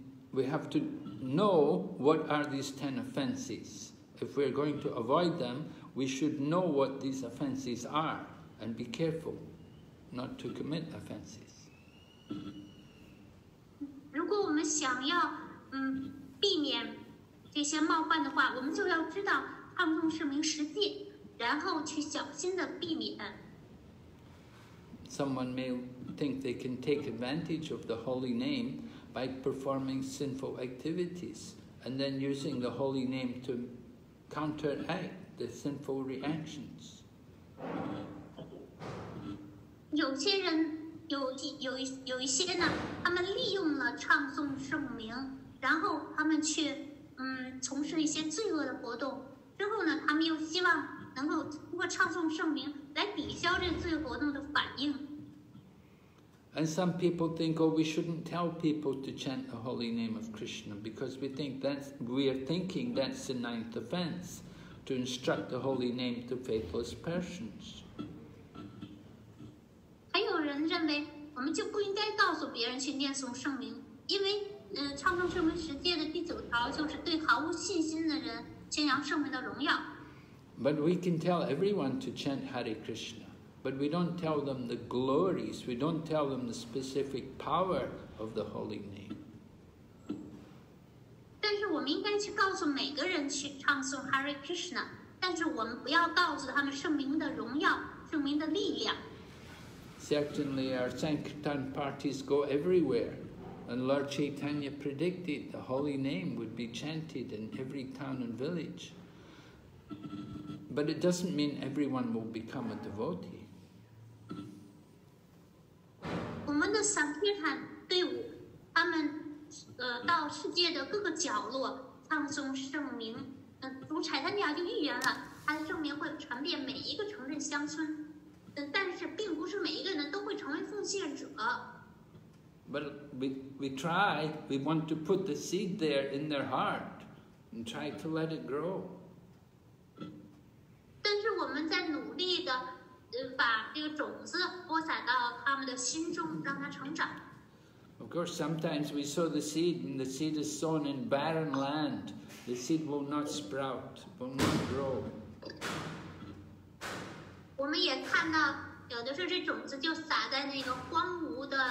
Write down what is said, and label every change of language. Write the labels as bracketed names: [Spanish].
[English] We have to know what are these ten offenses. If we are going to avoid them, we should know what these offenses are and be careful not to commit offenses. [Chinese] 如果我们想要避免这些冒犯的话，我们就要知道唱诵圣名十戒，然后去小心的避免。 [English] Someone may think they can take advantage of the holy name by performing sinful activities and then using the holy name to counteract the sinful reactions. [Chinese] 有一些人呢，他们利用了唱诵圣名，然后他们去从事一些罪恶的活动，之后呢，他们又希望能够通过唱诵圣名来抵消这罪恶活动的反应。 [English] And some people think, oh, we shouldn't tell people to chant the holy name of Krishna because we are thinking that's the ninth offense, to instruct the holy name to faithless persons. [Chinese] 还有人认为我们就不应该告诉别人去念诵圣名，因为唱诵圣名十戒的第九条就是对毫无信心的人宣扬圣名的荣耀。 [English] But we can tell everyone to chant Hare Krishna. But we don't tell them the glories, we don't tell them the specific power of the holy name. [Chinese] 但是我们应该去告诉每个人去唱诵 Hare Krishna, 但是我们不要告诉他们圣名的荣耀，圣名的力量。 [English] Certainly our Sankirtan parties go everywhere, and Lord Chaitanya predicted the holy name would be chanted in every town and village. But it doesn't mean everyone will become a devotee. [Chinese] 我们的 Sankirtan 队伍，他们到世界的各个角落唱诵圣名。主彩丹尼亚就预言了，他的圣名会传遍每一个城镇乡村。但是并不是每一个人都会成为奉献者。 [English] But we try, we want to put the seed there in their heart and try to let it grow. [Chinese] 但是我们在努力的。把这个种子播撒到他们的心中，让它成长。 [English] Of course, sometimes we sow the seed, and the seed is sown in barren land. The seed will not sprout, will not grow. [Chinese] 我们也看到，有的时候这种子就撒在那个荒芜